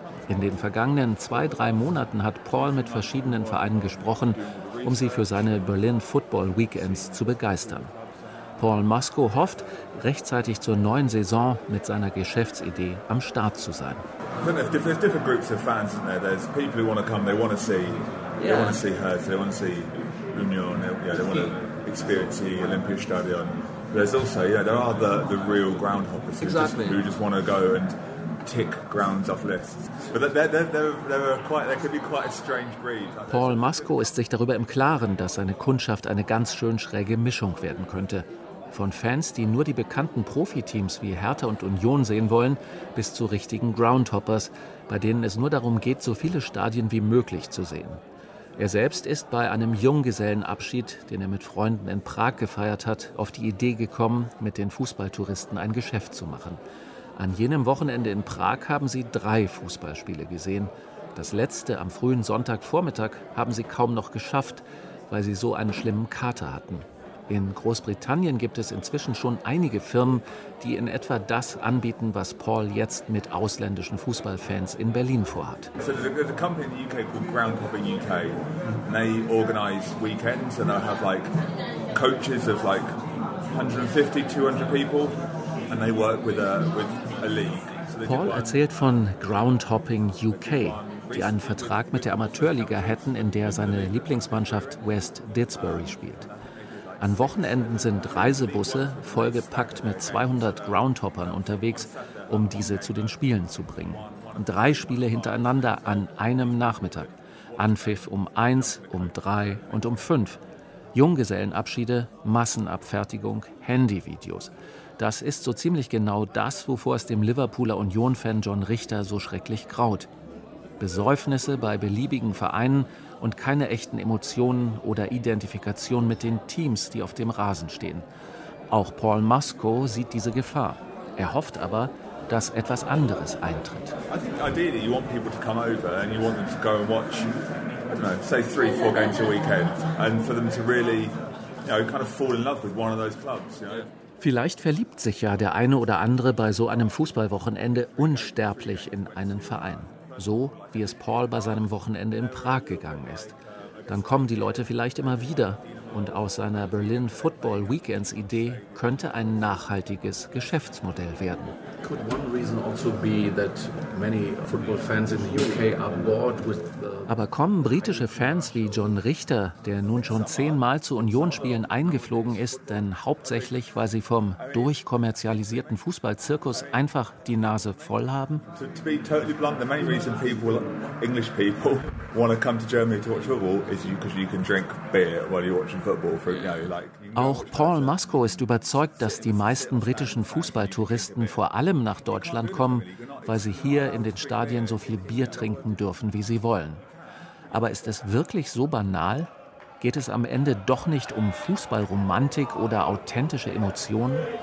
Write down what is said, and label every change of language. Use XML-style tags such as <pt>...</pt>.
<de>In den vergangenen 2-3 Monaten hat Paul mit verschiedenen Vereinen gesprochen, um sie für seine Berlin Football Weekends zu begeistern. Paul Musco hofft, rechtzeitig zur neuen Saison mit seiner Geschäftsidee am Start zu sein.</de> <en>There's different groups of fans, isn't there? There's people who want to come, they want to see, they want to see Hertha, they want to see Union, they want to experience the Olympiastadion. There's also, there are the real groundhoppers who just want to go and tick grounds off lists. But they could be quite a strange breed.</en> <de>Paul Musco ist sich darüber im Klaren, dass seine Kundschaft eine ganz schön schräge Mischung werden könnte. Von Fans, die nur die bekannten Profiteams wie Hertha und Union sehen wollen, bis zu richtigen Groundhoppers, bei denen es nur darum geht, so viele Stadien wie möglich zu sehen. Er selbst ist bei einem Junggesellenabschied, den er mit Freunden in Prag gefeiert hat, auf die Idee gekommen, mit den Fußballtouristen ein Geschäft zu machen. An jenem Wochenende in Prag haben sie 3 Fußballspiele gesehen. Das letzte am frühen Sonntagvormittag haben sie kaum noch geschafft, weil sie so einen schlimmen Kater hatten. In Großbritannien gibt es inzwischen schon einige Firmen, die in etwa das anbieten, was Paul jetzt mit ausländischen Fußballfans in Berlin vorhat.</de> <en>So there's a company in the UK called Groundhopper UK. And they organise weekends and they'll have like coaches of like 150, 200 people and they work with a league.</en> <de>Paul erzählt von Groundhopping UK, die einen Vertrag mit der Amateurliga hätten, in der seine Lieblingsmannschaft West Didsbury spielt. An Wochenenden sind Reisebusse vollgepackt mit 200 Groundhoppern unterwegs, um diese zu den Spielen zu bringen. 3 Spiele hintereinander an einem Nachmittag. Anpfiff um 1, um 3 und um 5. Junggesellenabschiede, Massenabfertigung, Handyvideos. Das ist so ziemlich genau das, wovor es dem Liverpooler Union-Fan John Richter so schrecklich graut. Besäufnisse bei beliebigen Vereinen und keine echten Emotionen oder Identifikation mit den Teams, die auf dem Rasen stehen. Auch Paul Musco sieht diese Gefahr. Er hofft aber, dass etwas anderes eintritt.</de> <en>I think ideally you want people to come over and you want them to go and watch, I don't know, say 3-4 games a weekend and for them to really, kind of fall in love with one of those clubs,</en> <de>Vielleicht verliebt sich ja der eine oder andere bei so einem Fußballwochenende unsterblich in einen Verein. So, wie es Paul bei seinem Wochenende in Prag gegangen ist. Dann kommen die Leute vielleicht immer wieder. Und aus seiner Berlin Football Weekends Idee könnte ein nachhaltiges Geschäftsmodell werden.</de> <en>Could one reason also be that many football fans in the UK are bored with the...</en> <de>Aber kommen britische Fans wie John Richter, der nun schon 10-mal zu Union-Spielen eingeflogen ist, denn hauptsächlich, weil sie vom durchkommerzialisierten Fußballzirkus einfach die Nase voll haben?</de> <en>To be totally blunt, the main reason people, English people, want to come to Germany to watch football is because you can drink beer while you watch.</en> <de>Auch Paul Musco ist überzeugt, dass die meisten britischen Fußballtouristen vor allem nach Deutschland kommen, weil sie hier in den Stadien so viel Bier trinken dürfen, wie sie wollen. Aber ist es wirklich so banal? Geht es am Ende doch nicht um Fußballromantik oder authentische Emotionen?</de>